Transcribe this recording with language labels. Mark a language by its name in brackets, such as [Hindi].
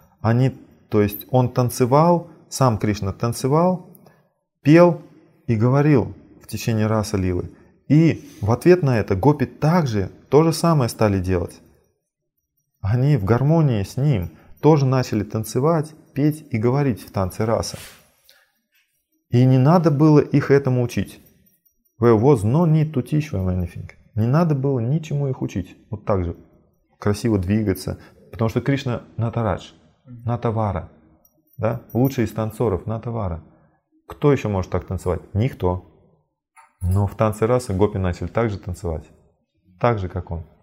[Russian] Они, то есть он танцевал, сам Кришна танцевал, пел и говорил в течение раса лилы. И в ответ на это гопи также то же самое стали делать. Они в гармонии с ним тоже начали танцевать, петь и говорить в танце раса. И не надо было их этому учить. [English] There was no need to teach them anything. [Russian] Не надо было ничему их учить. Вот так же красиво двигаться. Потому что Кришна Натарадж, Натавара. Да? Лучший из танцоров, Натавара. Кто еще может так танцевать? Никто. Но в танце раса гопи начали так же танцевать. Так же, как он.